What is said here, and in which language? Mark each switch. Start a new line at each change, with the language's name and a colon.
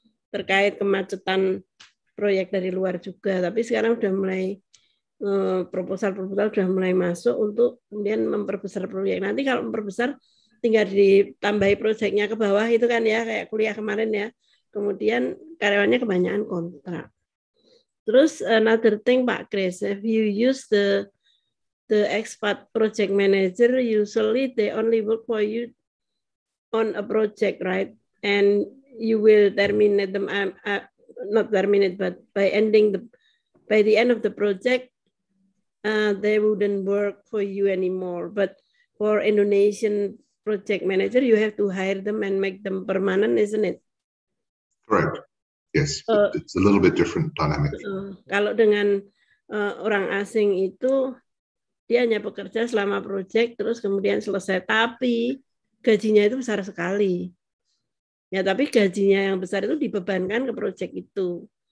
Indonesian: Terkait kemacetan proyek dari luar juga, tapi sekarang sudah mulai proposal-proposal sudah mulai masuk untuk kemudian memperbesar proyek. Nanti kalau memperbesar, tinggal ditambahi proyeknya ke bawah itu kan ya, kayak kuliah kemarin ya. Kemudian karyawannya kebanyakan kontrak.
English: Terus another thing, Pak Chris, if you use the expat project manager, usually they only work for you on a project, right? And you will terminate them, not terminate, but by the end of the project, they wouldn't work for you anymore. But for Indonesian project manager, you have to hire them and make them permanent, isn't it? Correct. Yes. It's a little bit different dynamic.
Indonesian: Kalau dengan orang asing itu, dia hanya bekerja selama project, terus kemudian selesai. Tapi gajinya itu besar sekali. Ya, tapi gajinya yang besar itu dibebankan ke project itu.